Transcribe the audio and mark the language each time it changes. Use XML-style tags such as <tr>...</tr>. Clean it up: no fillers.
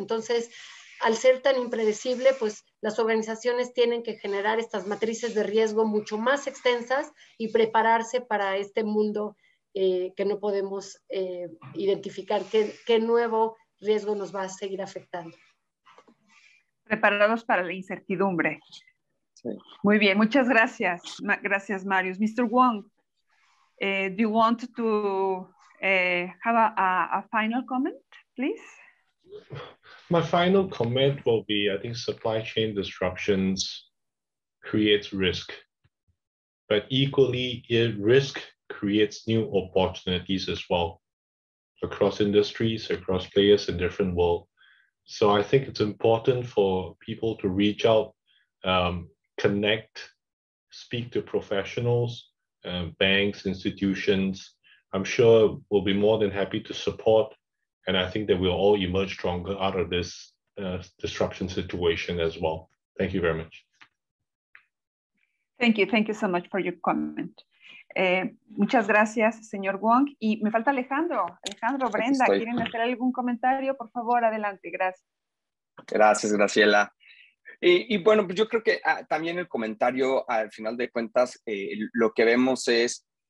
<es>Entonces, al ser tan impredecible, pues las organizaciones tienen que generar estas matrices de riesgo mucho más extensas y prepararse para este mundo que no podemos identificar qué nuevo riesgo nos va a seguir afectando. Preparados para la incertidumbre. Sí. Muy bien, muchas gracias. Gracias, Marius. Mr.</es> <en>Wong, do you want to have a final comment, please? My final comment will be, I think supply chain disruptions creates risk, but equally risk creates new opportunities as well across industries, across players in different world. So I think it's important for people to reach out, connect, speak to professionals, banks, institutions. I'm sure we'll be more than happy to support. And I think that we'll all emerge stronger out of this disruption situation as well. Thank you very much. Thank you. Thank you so much for your comment.</en> <es>Muchas gracias, señor Wong. Y me falta Alejandro. Alejandro, Brenda, estoy... ¿quieren hacer algún comentario? Por favor, adelante. Gracias. Gracias, Graciela. Y bueno, pues yo creo que también el comentario, al final de cuentas, lo que vemos es...</es>